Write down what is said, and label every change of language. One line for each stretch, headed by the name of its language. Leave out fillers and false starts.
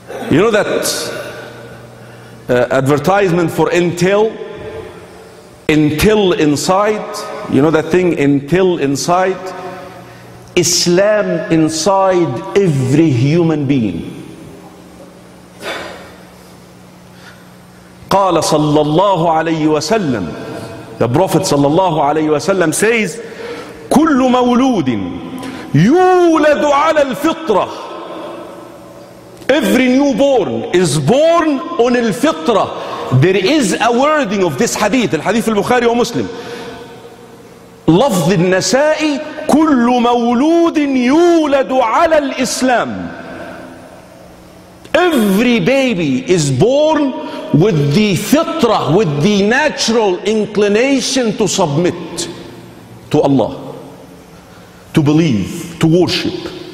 English: You know that advertisement for Intel? Intel inside. You know that thing, Intel inside? Islam inside every human being.
Arabic: قال صلى الله عليه وسلم,
English: the Prophet
Arabic: صلى الله عليه وسلم
English: says,
Arabic: كل مولود يولد على الفطرة.
English: Every newborn is born on الفطرة. There is a wording of this hadith,
Arabic: الحديث البخاري ومسلم, لفظ النسائي, كل مولود يولد على الإسلام.
English: Every baby is born with the fitrah, with the natural inclination to submit to Allah, to believe, to worship.